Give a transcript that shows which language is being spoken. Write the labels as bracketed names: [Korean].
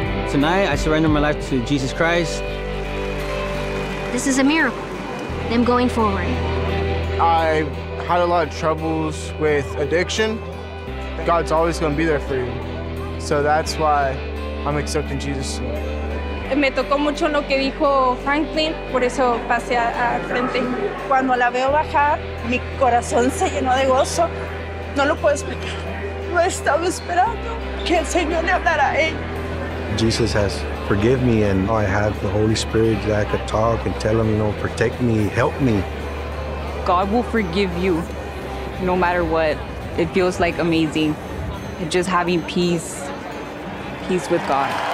[English] Tonight, I surrender my life to Jesus Christ. This is a miracle, them going forward. I had a lot of troubles with addiction. God's always going to be there for you. So that's why I'm accepting Jesus. [Spanish] Me tocó mucho lo que dijo Franklin, por eso pasé a frente. Cuando la veo bajar, mi corazón se llenó de gozo. No lo puedo explicar. No estaba esperando que el Señor le hablara a ella. [English] Jesus has forgiven me, and I have the Holy Spirit that I could talk and tell him, you know, protect me, help me. God will forgive you no matter what. It feels like amazing. And just having peace, peace with God.